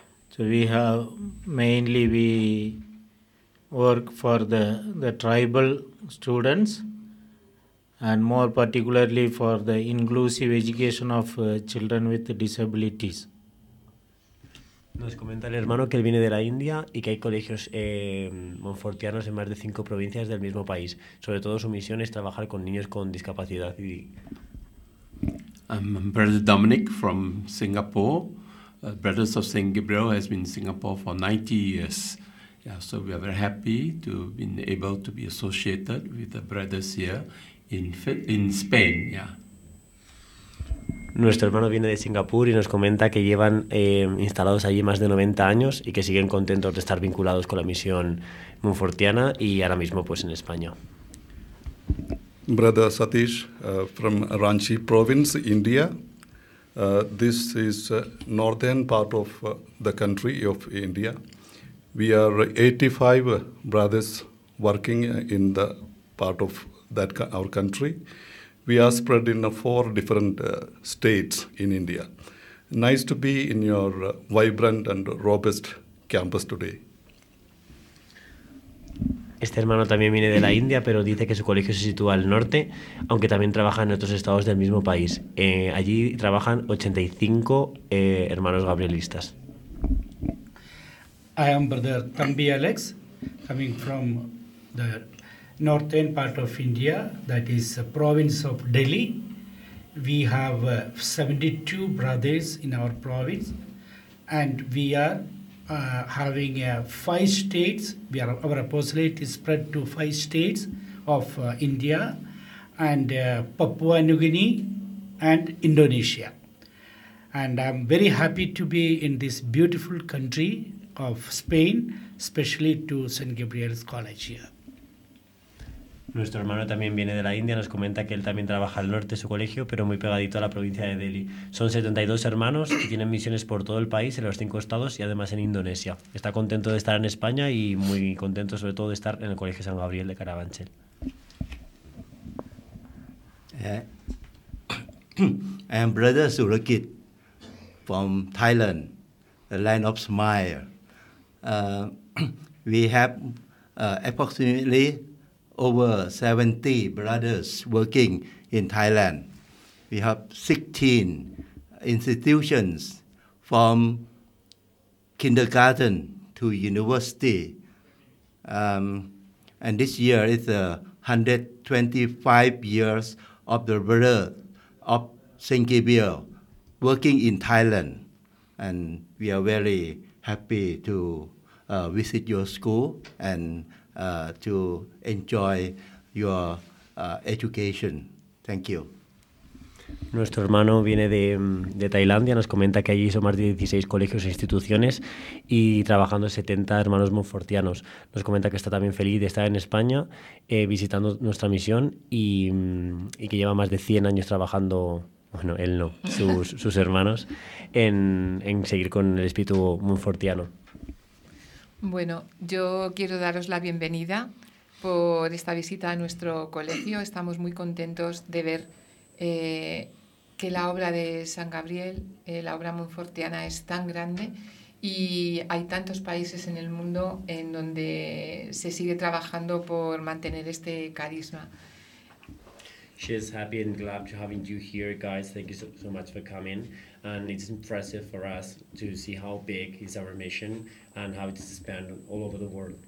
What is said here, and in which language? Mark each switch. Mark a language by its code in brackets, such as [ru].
[en] So we have mainly we work for the tribal students and more particularly for the inclusive education of children with disabilities. [es] Nos comenta el hermano que él viene de la India y que hay colegios monfortianos en más de 5 provincias del mismo país. Sobre todo su misión es trabajar con niños con discapacidad. [en] I'm Brother Dominic from Singapore. Brothers of St. Gabriel has been in Singapore for 90 years. Yeah, so we are very happy to be able to be associated with the brothers here. In Spain, yeah. [es] Nuestro hermano viene de Singapur y nos comenta que llevan instalados allí más de 90 años y que siguen contentos de estar vinculados con la misión monfortiana y ahora mismo pues en España. [en] Brother Satish from Ranchi province, India. This is northern part of the country of India. We are 85 brothers working in the part of that our country. We are spread in 4 different states in India. Nice to be in your vibrant and robust campus today. [es] Este hermano también viene de la India, pero dice que su colegio se sitúa al norte, aunque también trabaja en otros estados del mismo país. Allí trabajan 85 hermanos gabrielistas. [en] I am Brother Tambi Alex, coming from the northern part of India, that is the province of Delhi. We have 72 brothers in our province, and we are having 5 states. We are, our apostolate is spread to 5 states of India, and Papua New Guinea and Indonesia. And I'm very happy to be in this beautiful country of Spain, especially to St. Gabriel's College here. [es] Nuestro hermano también viene de la India, nos comenta que él también trabaja al norte de su colegio, pero muy pegadito a la provincia de Delhi. Son 72 hermanos y tienen misiones por todo el país, en los 5 estados y además en Indonesia. Está contento de estar en España y muy contento sobre todo de estar en el Colegio San Gabriel de Carabanchel. [en] I am Brother Surakit from Thailand, the land of smile. We have approximately over 70 brothers working in Thailand. We have 16 institutions from kindergarten to university. And this year is the 125 years of the brother of St. Gabriel working in Thailand. And we are very happy to visit your school and to enjoy your education. Thank you. [es] Nuestro hermano viene de Tailandia, nos comenta que allí son más de 16 colegios e instituciones y trabajando 70 hermanos monfortianos. Nos comenta que está también feliz de estar en España visitando nuestra misión y que lleva más de 100 años trabajando, bueno, él no, sus hermanos, en seguir con el espíritu monfortiano. Bueno, yo quiero daros la bienvenida por esta visita a nuestro colegio. Estamos muy contentos de ver que la obra de San Gabriel, la obra monfortiana, es tan grande y hay tantos países en el mundo en donde se sigue trabajando por mantener este carisma. [en] She is happy and glad to have you here, guys. Thank you so much for coming. And it's impressive for us to see how big is our mission and how it's spanned all over the world.